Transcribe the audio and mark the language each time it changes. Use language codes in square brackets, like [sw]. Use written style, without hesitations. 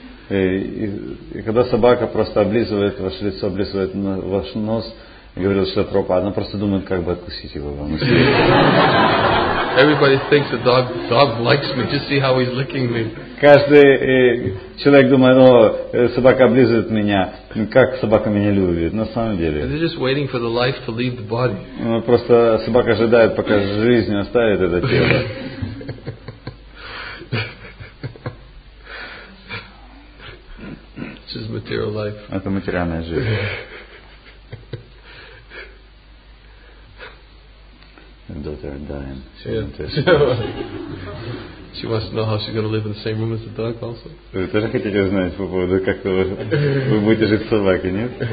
[ru] И когда собака просто облизывает ваше лицо, облизывает ваш нос, говорил, что тропа, она просто думает, как бы откусить его вам. [en] Everybody thinks the dog likes me. Just see how he's licking me. [ru] Каждый человек думает, собака облизывает меня. Как собака меня любит, на самом деле. [en] They're just waiting for the life to leave the body. [ru] Просто собака ожидает, пока жизнь оставит это тело. [en] This is material life. [ru] Это материальная жизнь. [en] Her daughter dying. She wants to know how she's going to live in the same room as the dog also. [ru] Вы тоже хотите узнать по поводу, как вы будете жить с собакой, нет?